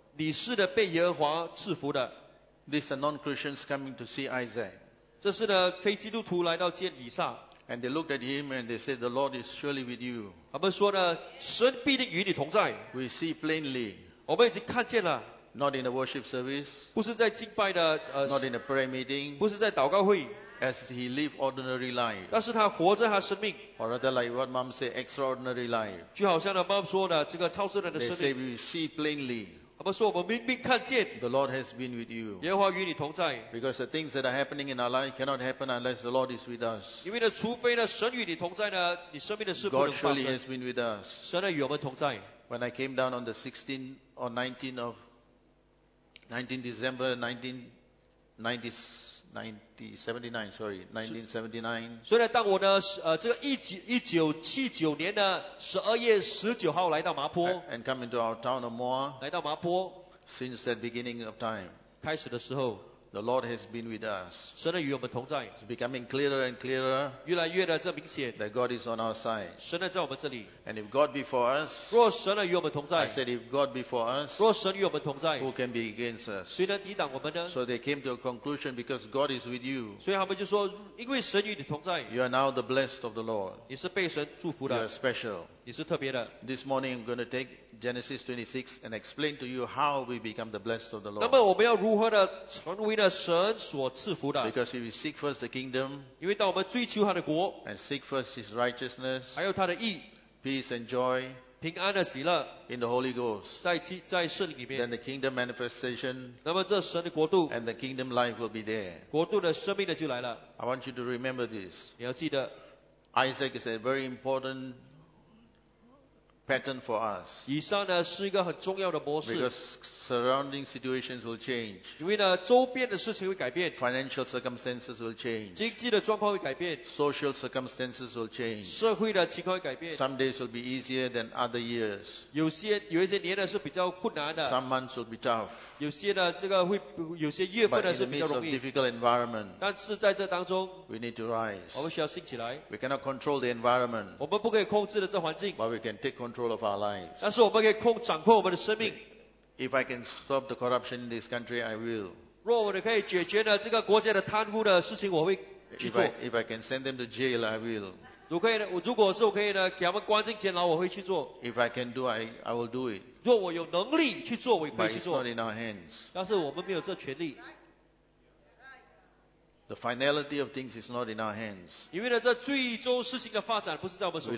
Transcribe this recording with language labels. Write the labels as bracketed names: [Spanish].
[Chinese] 你是的被耶和华赐福的。 [English] These are non-Christians coming to see Isaac. [Chinese] 这是呢非基督徒来到见以撒。 [English] And they looked at him and they said, "The Lord is surely with you." [Chinese] 他们说呢，神必定与你同在。 [English] We see plainly. [Chinese] 我们已经看见了。 [English] Not in a worship service. [Chinese] 不是在敬拜的。 [English] Not in a prayer meeting. [Chinese] 不是在祷告会。 [English] As he lived ordinary life. [Chinese] 但是他活着他生命。 [English] Or rather like what mom say, extraordinary life. [Chinese] 就好像呢，妈妈说的这个超自然的生命。 [English] They say we see plainly. The Lord has been with you. [Chinese] 耶和华与你同在。 [English] Because the things that are happening in our life cannot happen unless the Lord is with us. [Chinese] 因为呢, 除非呢, 神与你同在呢, 你生命的事不能发生。 [English] God surely has been with us. [Chinese] 神呢与我们同在。 [English] When I came down on the 16th or 19th of 19 December 1979, [Chinese] 1979年的12月19号来到麻坡, [English] and come into our town of Moa, [Chinese] 来到麻坡, [English] since that beginning of time, [Chinese] 开始的时候, [English] the Lord has been with us. [Chinese] 神与我们同在, [English] it's becoming clearer and clearer, [Chinese] 越来越的这明显, [English] that God is on our side. [Chinese] 神在我们这里, [English] and if God be for us, [Chinese] 若神与我们同在, [English] I said, if God be for us, [Chinese] 若神与我们同在, [English] who can be against us? [Chinese] 谁能抵挡我们呢? [English] So they came to a conclusion, because God is with you. [Chinese] 所以他们就说, 因为神与你同在, [English] you are now the blessed of the Lord. [Chinese] 你是被神祝福的, [English] you are special. [Chinese] 你是特别的。 [English] This morning, I'm going to take Genesis 26 and explain to you how we become the blessed of the Lord. [Chinese] 那么我们要如何的成为 [English] Because if we seek first the kingdom and seek first his righteousness, [Chinese] 还有他的义, [English] peace and joy [Chinese] 平安的喜乐, [English] in the Holy Ghost, [Chinese] 在圣里面, [English] then the kingdom manifestation [Chinese] 那么这神的国度, [English] and the kingdom life will be there. [Chinese] 国度的生命的就来了。 [English] I want you to remember this. [Chinese] 你要记得, [English] Isaac is a very important pattern for us. [Chinese] 以上呢是一个很重要的模式, [English] because surrounding situations will change. [Chinese] 因为呢周边的事情会改变, [English] financial circumstances will change. [Chinese] 经济的状况会改变, [English] social circumstances will change. [Chinese] 社会的情况会改变, [English] some days will be easier than other years. [Chinese] 有些年呢是比较困难的, [English] some months will be tough. [Chinese] 有些呢这个会有些月份呢是比较容易, [English] but [Chinese] 但是在这当中, [English] we need to rise. [Chinese] 我们需要兴起来, [English] we cannot control the environment. [Chinese] 我们不可以控制的这环境, [English] but we can take control of our lives. [Chinese] 但是我们可以控制我们的生命。 [English] If I can stop the corruption in this country, I will. [Chinese] 若我可以解决这个国家的贪污的事情, 我会去做。 [English] If I can send them to jail, I will. [Chinese] 如果是我可以给他们关进监牢, 我会去做。 [English] If I can do, I will do it. [Chinese] 若我有能力去做, 我也可以去做。 [English] But it's not in our hands. [Chinese] 但是我们没有这权利。 [English] The finality of things is not in our hands. [Chinese] 因为呢这最终事情的发展不是在我们手中。